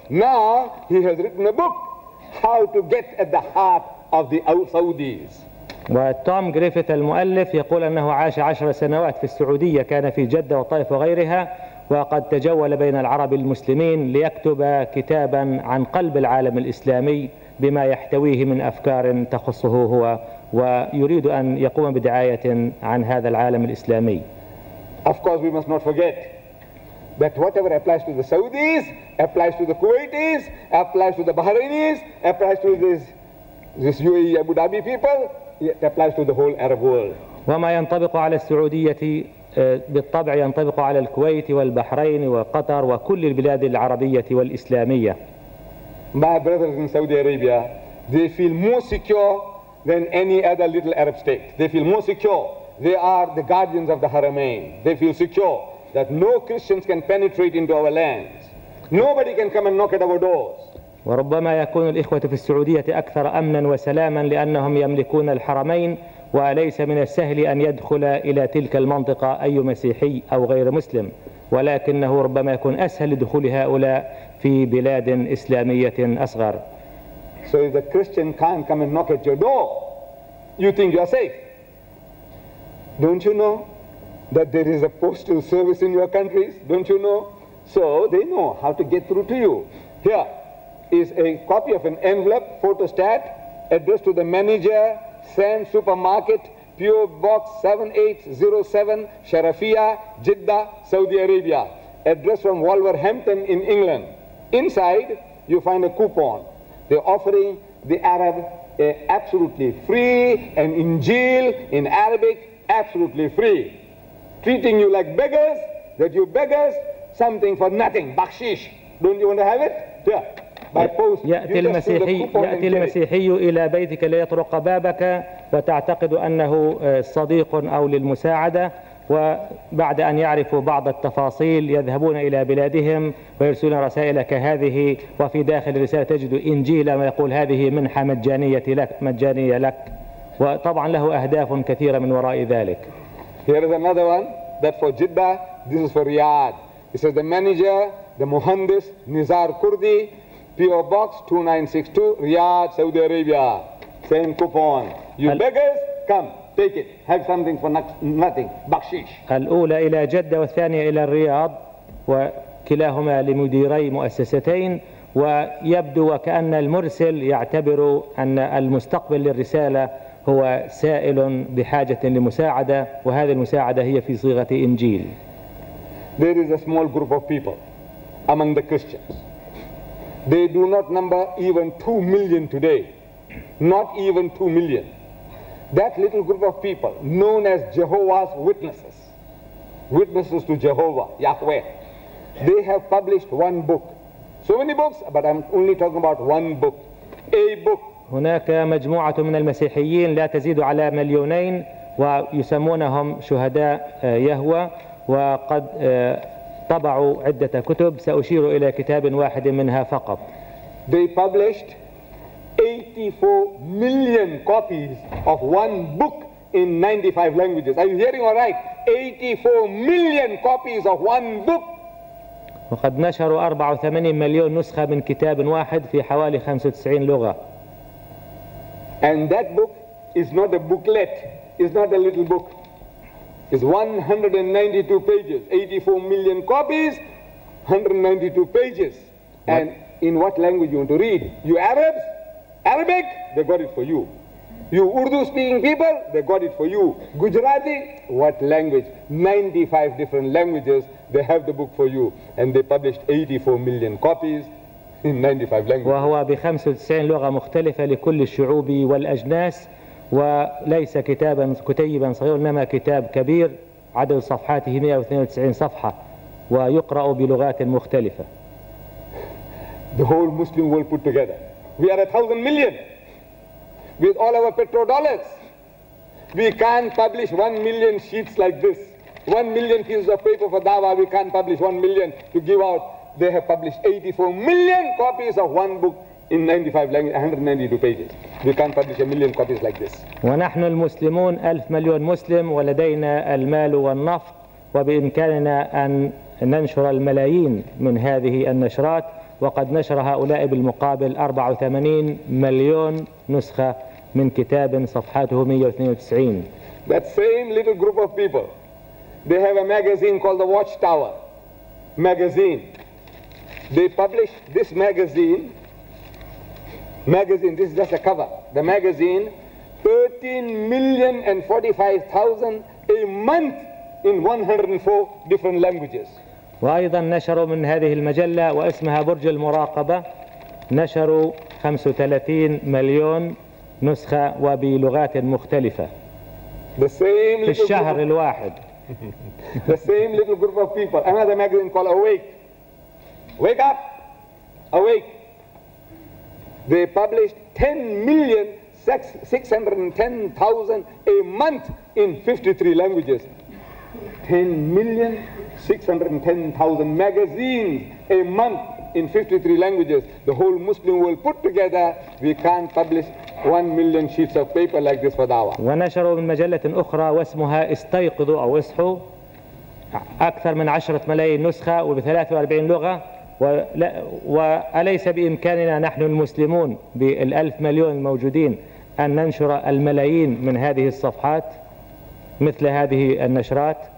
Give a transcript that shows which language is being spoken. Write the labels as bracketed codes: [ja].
[en] Now he has written a book, How to Get at the Heart of the Saudis. [ar] وتوم جريفيث المؤلف يقول أنه عاش 10 سنوات في السعودية، كان في جدة وطائف وغيرها، وقد تجول بين العرب المسلمين ليكتب كتابا عن قلب العالم الإسلامي بما يحتويه من أفكار تخصه هو، ويريد أن يقوم بدعاية عن هذا العالم الإسلامي. [en] Of course we must not forget that whatever applies to the Saudis applies to the Kuwaitis, applies to the Bahrainis, applies to this UAE Abu Dhabi people, it applies to the whole Arab world. [ar] وما ينطبق على السعودية بالطبع ينطبق على الكويت والبحرين وقطر وكل البلاد العربية والإسلامية. [en] My brothers in Saudi Arabia, they feel more secure than any other little Arab state. They feel more secure they are the guardians of the Haramain. They feel secure that no Christians can penetrate into our lands. Nobody can come and knock at our doors. [ar] وربما يكون الإخوة في السعودية أكثر أمنا وسلاما لأنهم يملكون الحرمين وليس من السهل أن يدخل إلى تلك المنطقة أي مسيحي أو غير مسلم ولكنه ربما يكون أسهل دخول هؤلاء في بلاد إسلامية أصغر. [en] So if the Christian can't come and knock at your door, you think you are safe. Don't you know that there is a postal service in your countries? Don't you know? So they know how to get through to you. Here is a copy of an envelope, photostat, addressed to the manager, Sand Supermarket, PO Box 7807, Sharafia, Jeddah, Saudi Arabia. Address from Wolverhampton in England. Inside, you find a coupon. They're offering the Arab absolutely free, an Injil in Arabic, absolutely free. Treating you like beggars, that you beggars, something for nothing, bakshish. Don't you want to have it? Here. [ar] يأتي المسيحي, يأتي المسيحي إلى بيتك ليطرق بابك وتعتقد أنه صديق أو للمساعدة وبعد أن يعرفوا بعض التفاصيل يذهبون إلى بلادهم ويرسلون رسائل كهذه وفي داخل الرسالة تجد إنجيلا ويقول هذه منحة مجانية لك, مجانية لك وطبعا له أهداف كثيرة من وراء ذلك. [en] Here is another one that for Jeddah, this is for Riyadh. This is the manager, the Muhandis Nizar Kurdi, PO Box 2962, Riyadh, Saudi Arabia. Same coupon. You beggars, come, take it. Have something for nothing. Bakshish. [ar] الأولى إلى جدة والثانية إلى الرياض وكلاهما لمديري مؤسستين ويبدو وكأن المرسل يعتبر أن المستقبل للرسالة هو سائل بحاجة لمساعدة وهذه المساعدة هي في صيغة إنجيل. [en] There is a small group of people among the Christians. They do not number even 2 million today. Not even 2 million. That little group of people known as Jehovah's Witnesses, Witnesses to Jehovah, Yahweh, they have published one book. So many books, but I'm only talking about one book. A book. [ar] هناك مجموعة من المسيحيين لا تزيد على مليونين ويسمونهم شهداء يهوى وقد طبعوا عدة كتب سأشير إلى كتاب واحد منها فقط. [en] They published 84 million copies of one book in 95 languages. Are you hearing all right? 84 million copies of one book. [ar] وقد نشروا 84 مليون نسخة من كتاب واحد في حوالي 95 لغة. [en] And that book is not a booklet. It's not a little book. Is 192 pages, 84 million copies, 192 pages. And in what language you want to read? You Arabs? Arabic? They got it for you. You Urdu speaking people? They got it for you. Gujarati? What language? 95 different languages, they have the book for you. And they published 84 million copies in 95 languages. [ar] وهو بخمس وتسعين لغة مختلفة لكل الشعوب والأجناس. وليس كتابا كتيبا صغيرا إنما كتاب كبير عدد صفحاته 192 صفحة ويقرأ بلغات مختلفة. [en] The whole Muslim world put together. We are 1,000 million. With all our petrodollars. We can't publish 1 million sheets like this. 1 million pieces of paper for Dawah. We can't publish 1 million to give out. They have published 84 million copies of one book. In 95 languages, 192 pages. We can't publish a million copies like this. [ar] ونحن المسلمون ألف مليون مسلم ولدينا المال والنفط وبإمكاننا أن ننشر الملايين من هذه النشرات وقد نشر هؤلاء بالمقابل 84 مليون نسخة من كتاب صفحاته 192. [en] That same little group of people, they have a magazine called the Watchtower magazine. They publish this magazine. Magazine, this is just a cover. The magazine, 13,045,000 a month in 104 different languages. [ar] وأيضا نشروا من هذه المجلة واسمها برج المراقبة نشروا 35 مليون نسخة وبلغات مختلفة. [en] The same [ar] في الشهر الواحد. [en] The same little group of people. Another magazine called Awake. Wake up, Awake. They published 10 million 610,000 a month in 53 languages. 10,610,000 magazines a month in 53 languages. The whole Muslim world put together, we can't publish 1,000,000 sheets of paper like this for da'wah. [ar] ونشروا من مجلة أخرى واسمها استيقظوا أو اصحوا أكثر من 10 ملايين نسخة وب 43 لغة. وأليس بإمكاننا نحن المسلمون بالألف مليون الموجودين أن ننشر الملايين من هذه الصفحات مثل هذه النشرات؟